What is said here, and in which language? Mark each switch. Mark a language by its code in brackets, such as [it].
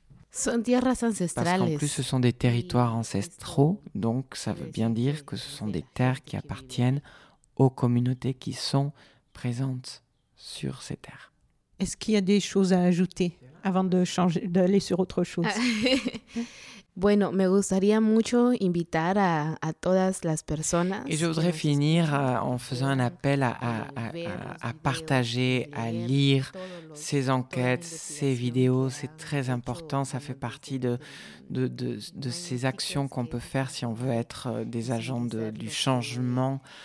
[es] Son tierras ancestrales. [fr] Parce qu'en plus, ce sont des territoires ancestraux, donc ça veut bien dire que ce sont des terres qui appartiennent aux communautés qui sont présentes sur ces terres. Est-ce qu'il y a des choses à ajouter avant de changer, d'aller sur autre chose? [es] Bueno, me gustaría mucho invitar a todas las personas. [fr] Et je voudrais finir en faisant un appel à partager, à lire ces enquêtes, ces vidéos. C'est très important. Ça fait partie de ces actions qu'on peut faire si on veut être des agents du changement.